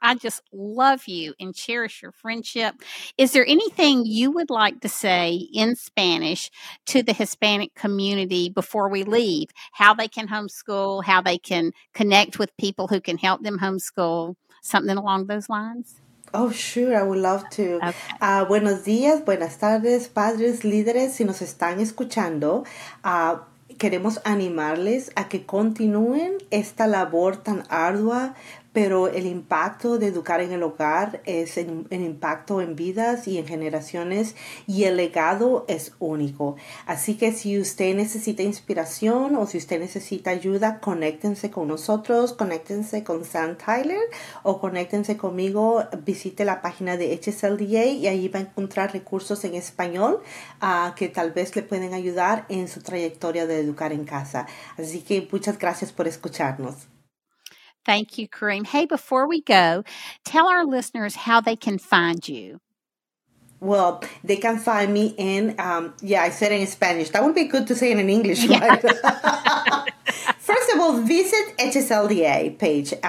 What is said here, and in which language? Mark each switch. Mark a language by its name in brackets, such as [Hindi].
[English] I just love you and cherish your friendship. Is there anything you would like to say in Spanish to the Hispanic community before we leave? How they can homeschool, how they can connect with people who can help them homeschool, something along those lines? Oh, sure. I would love to. Okay. [Spanish] Buenos días, buenas tardes, padres, líderes, si nos están escuchando. Queremos animarles a que continúen esta labor tan ardua, pero el impacto de educar en el hogar es el impacto en vidas y en generaciones, y el legado es único. Así que si usted necesita inspiración o si usted necesita ayuda, conéctense con nosotros, conéctense con Sam Tyler o conéctense conmigo, visite la página de HSLDA y ahí va a encontrar recursos en español que tal vez le pueden ayudar en su trayectoria de educar en casa. Así que muchas gracias por escucharnos. [English] Thank you, Karim. Hey, before we go, tell our listeners how they can find you. Well, they can find me in, I said in Spanish. That would be good to say in English, right? Yeah. First of all, visit HSLDA page.